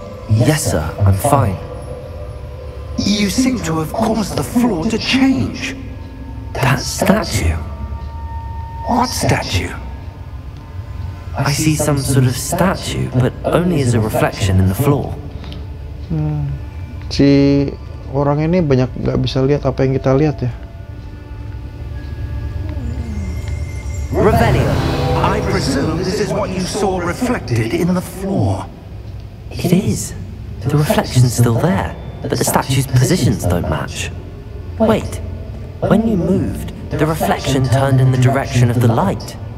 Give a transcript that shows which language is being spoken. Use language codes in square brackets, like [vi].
[en] Yes, sir. I'm fine. You seem to have caused the floor to change. That statue? What statue? I see some sort of statue, but only as a reflection in the floor. [id] Si orang ini banyak gak bisa lihat apa yang kita lihat ya. [en] Rebellion. I presume this is what you saw reflected in the floor. It is. The reflection's still there, but the statue's positions don't match. Wait, when you moved, the reflection turned in the direction of the light.